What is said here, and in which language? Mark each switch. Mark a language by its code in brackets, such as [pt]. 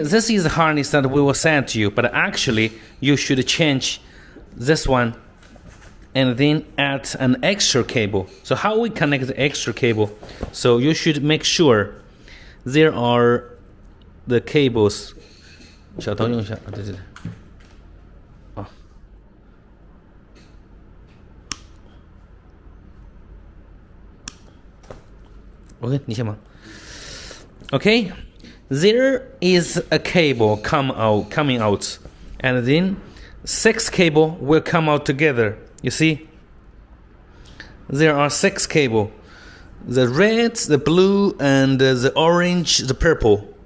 [en] this is the harness that we will send to you, but actually you should change this one and then add an extra cable. So how we connect the extra cable? So you should make sure there are the cables. [zh] 小刀用一下，对对对。啊。OK，你先忙。 [en] Okay, there is a cable coming out, and then six cable will come out together. You see, there are six cable, the red, the blue, and the orange, the purple.